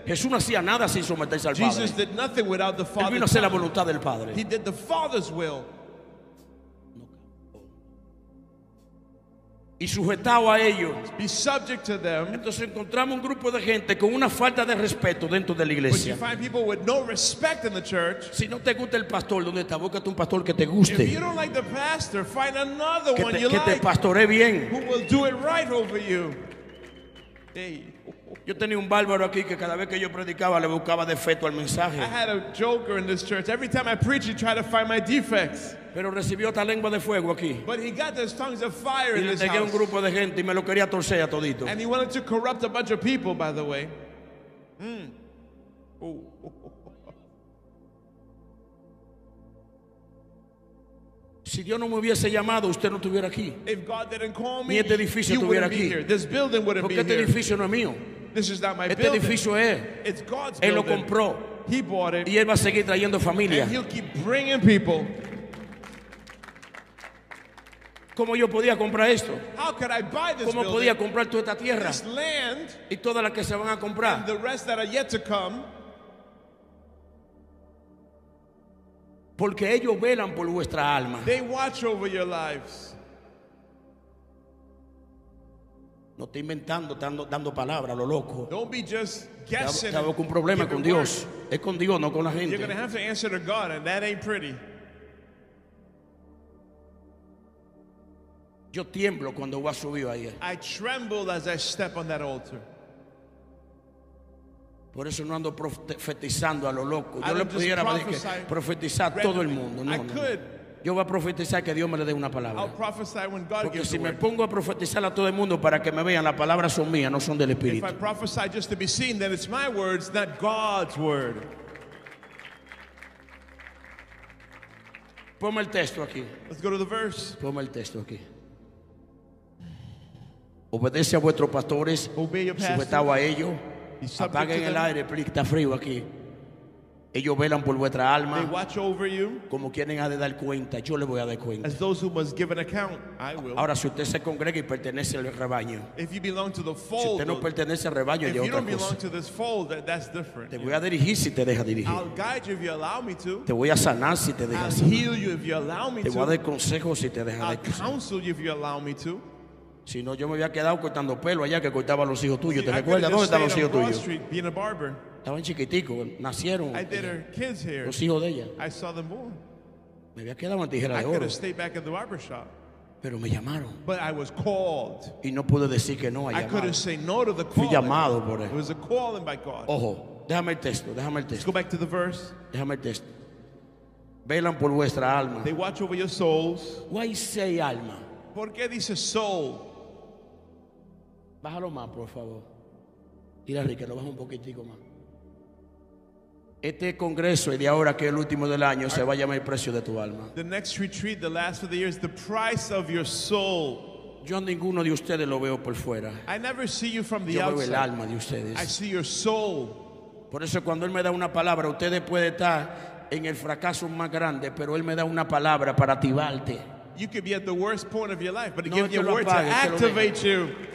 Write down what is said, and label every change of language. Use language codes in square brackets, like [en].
[es] Jesús no hacía nada sin someterse al Padre. [en] Jesus did nothing without the Father. [es] Él vino a hacer la voluntad del Padre. [en] He did the Father's will. [es] Y sujetado a ellos. [en] Be subject to them. [es] Entonces encontramos un grupo de gente con una falta de respeto dentro de la iglesia. [en] But you find people with no respect in the church. [es] Si no te gusta el pastor, ¿dónde está? Búscate un pastor que te guste. [en] If you don't like the pastor, find another one you like. [es] Que te pastoree bien. [en] Who will do it right over you? Hey. [es] Yo tenía un bárbaro aquí que cada vez que yo predicaba le buscaba defecto al mensaje. [en] I had a joker in this church. Every time I preach, he tried to find my defects. [es] Pero recibió esta lengua de fuego aquí. [en] But he got those tongues of fire in this house. [es] Y le tenía un grupo de gente y me lo quería torcer a todito. [en] And he wanted to corrupt a bunch of people, by the way. [es] Si Dios no me hubiese llamado, usted no estuviera aquí. [en] If God didn't call me, [es] ni este edificio estuviera aquí. [en] This building wouldn't be here. [es] Porque este edificio no es mío. [en] This is not my [es] este edificio [en] building. [es] Es. [en] It's God's [es] él Lo compró. [en] He bought it. [es] Y él va a seguir trayendo familia. [en] And he'll keep bringing people. [es] ¿Cómo yo podía comprar esto? [en] How could I buy this [es] ¿cómo [en] building? [es] Podía comprar toda esta tierra? [en] This land, [es] y todas las que se van a comprar. [en] And the rest that are yet to come. [es] Porque ellos velan por vuestra alma. [en] They watch over your lives. [es] No estoy inventando, dando palabra a lo loco. [en] Don't be just guessing. [es] Tengo un problema con Dios. Es con Dios, no con la gente. [en] You're going to have to answer to God, and that ain't pretty. [es] Yo tiemblo cuando voy a subir ahí. [en] I tremble as I step on that altar. [es] Por eso no ando profetizando a lo loco. Yo le pudiera profetizar a todo el mundo. No, no. Yo voy a profetizar que Dios me le dé una palabra. Porque si me pongo a profetizar a todo el mundo para que me vean, las palabras son mías, no son del Espíritu. [en] If I prophesy just to be seen, then it's my words, not God's word. [es] Ponme el texto aquí. [en] Let's go to the verse. [es] Ponme el texto aquí. Obedece a vuestros pastores. [en] Obey your pastors. [es] Sujetado a ellos. Apaguen el aire, porque está frío aquí. Ellos velan por vuestra alma. [en] They watch over you. [es] Como quieren ha de dar cuenta, yo le voy a dar cuenta. [en] As those who must give an account, I will. [es] Ahora, si usted se congrega y pertenece al rebaño, [en] if you belong to the fold, [es] si usted no pertenece al rebaño, [en] if you [es] otra [en] don't belong [es] cosa. [en] To this fold, that's different. [es] Te voy a dirigir si te deja dirigir. [en] I'll guide you if you allow me to. [es] Te voy a sanar si te deja sanar. [en] I'll heal you if you allow me to. [es] Te voy a dar consejos si te deja [en] I'll counsel you if you allow me to. [es] Si no, yo me había quedado cortando pelo allá que cortaba los hijos tuyos. ¿Te recuerdas dónde estaban los hijos tuyos? Estaban chiquiticos, nacieron. [en] I did her kids hair. [es] Los hijos de ella. [en] I saw them born. [es] Me había quedado en tijera de oro. [en] I could have stayed back at the barber shop. [es] Pero me llamaron. [en] But I was called. [es] Y no pude decir que no a llamado. [en] I couldn't say no to the call. [es] Fui llamado por él. [en] It was a calling by God. [es] Ojo, déjame el texto, déjame el texto. [en] Let's go back to the verse. [es] Déjame el texto. Velan por vuestra alma. [en] They watch over your souls. Why say alma? [es] ¿Por qué dice soul? Bájalo más, por favor. Mira, Ricardo, baja un poquitico más. Este congreso y de ahora que es el último del año se va a llamar el precio de tu alma. [en] The next retreat, the last of the year, is the price of your soul. [es] Yo a ninguno de ustedes lo veo por fuera. [en] I never see you from the [es] yo [en] outside. [es] Veo el alma de ustedes. [en] I see your soul. [es] Por eso cuando él me da una palabra, ustedes pueden estar en el fracaso más grande, pero él me da una palabra para activarte. [en] You could be at the worst point of your life, but he gives you a word to activate you.